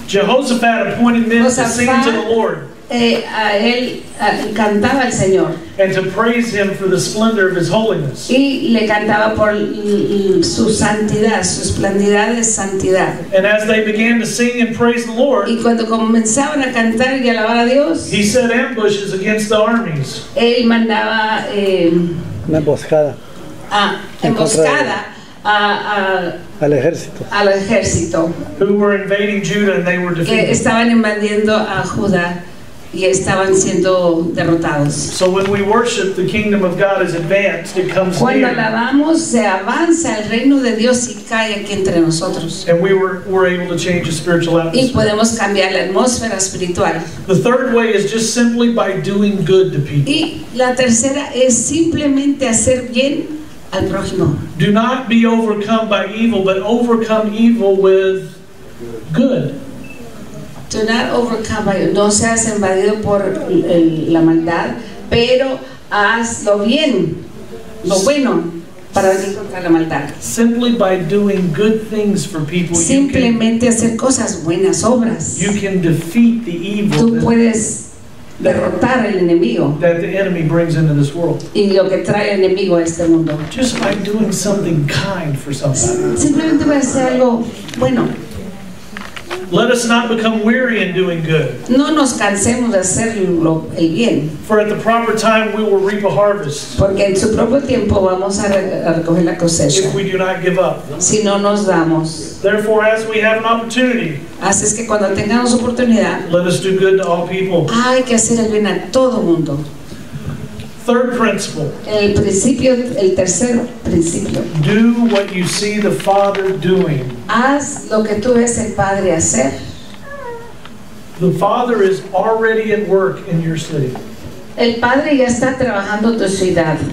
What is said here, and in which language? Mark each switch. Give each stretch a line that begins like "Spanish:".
English: Jehoshaphat appointed men to sing to the Lord.
Spanish: Cantaba al Señor.
English: And to praise him for the splendor of his holiness.
Spanish: Y le cantaba por su santidad, su esplendidez de santidad.
English: And as they began to sing and praise the Lord,
Spanish: y cuando comenzaban a cantar y alabar a Dios,
English: he set ambushes against the armies.
Spanish: Él mandaba una emboscada. Emboscada. Al ejército. Al ejército.
English: Who were invading Judah and they were defeated.
Spanish: Que estaban invadiendo a Judá. Y estaban siendo derrotados.
English: So when we worship, the kingdom of God is advanced, it comes
Spanish: cuando
English: near.
Spanish: Alabamos, se avanza el reino de Dios y cae aquí entre nosotros.
English: And we were able to change the spiritual atmosphere.
Spanish: Y podemos cambiar la atmósfera espiritual.
English: The third way is just simply by doing good to people.
Spanish: Y la tercera es simplemente hacer bien al prójimo.
English: Do not be overcome by evil, but overcome evil with good. Do not overcome by,
Spanish: no seas invadido por la maldad, pero haz lo bien, lo bueno para venir contra la maldad.
English: Simply by doing good things for people,
Spanish: simplemente hacer cosas buenas, obras.
English: You can defeat the evil.
Spanish: Tú puedes derrotar el enemigo.
English: That the enemy brings into this world.
Spanish: Y lo que trae el enemigo a este mundo.
English: Just by doing something kind for somebody.
Spanish: Simplemente para hacer algo bueno.
English: Let us not become weary in doing good.
Spanish: No nos cansemos de hacer el bien.
English: For at the proper time we will reap a harvest.
Spanish: Porque en su propio tiempo vamos a recoger la cosecha.
English: If we do not give up.
Spanish: Si no nos damos.
English: Therefore, as we have an opportunity.
Spanish: Así es que cuando tengamos oportunidad.
English: Let us do good to all people.
Spanish: Hay que hacer el bien a todo mundo.
English: Third principle.
Spanish: El principio, el tercer principio.
English: Do what you see the Father doing.
Spanish: Haz lo que tú ves el Padre hacer.
English: The Father is already at work in your city.
Spanish: El Padre ya está trabajando en tu ciudad.